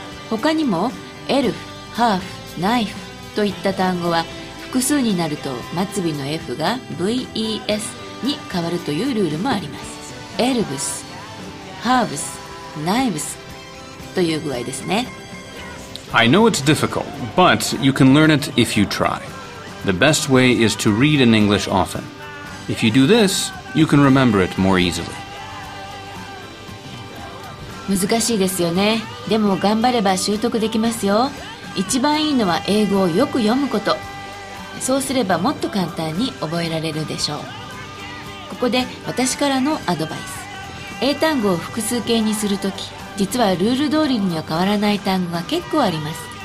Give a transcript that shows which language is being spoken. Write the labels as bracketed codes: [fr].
[ja] 他にもエルフ、ハーフ、ナイフといった単語は複数になると末尾の F が VES に変わるというルールもあります。エルブス、ハーブス、ナイブスという具合ですね。 [en] I know it's difficult, but you can learn it if you try. The best way is to read in English often. If you do this, you can remember it more easily. [ja] 難しいですよね。でも頑張れば習得できますよ。一番いいのは英語をよく読むこと。そうすればもっと簡単に覚えられるでしょう。ここで私からのアドバイス。英単語を複数形にするとき、実はルール通りには変わらない単語が結構あります。